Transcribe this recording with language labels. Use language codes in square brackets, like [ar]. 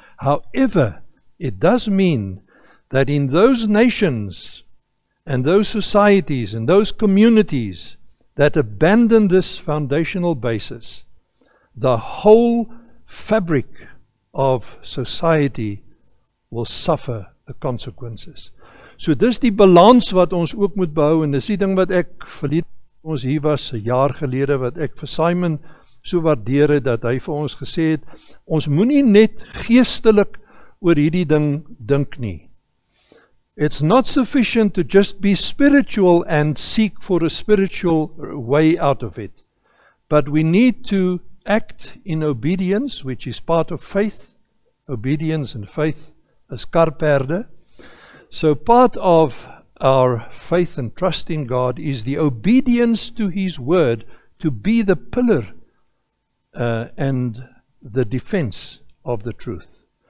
[en] However, it does mean that in those nations and those societies and those communities that abandon this foundational basis, the whole fabric of society will suffer the consequences. [af] So dis die balans wat ons ook moet behou, en dis die ding wat ek verlede ons hier was, een jaar gelede, wat ek vir Simon so waardeer het, dat hy vir ons gesê het, ons moenie net geestelik oor hierdie ding dink nie. [en] It's not sufficient to just be spiritual and seek for a spiritual way out of it. But we need to act in obedience, which is part of faith. Obedience and faith is karperde. So part of our faith and trust in God is the obedience to His word to be the pillar and the defense of the truth.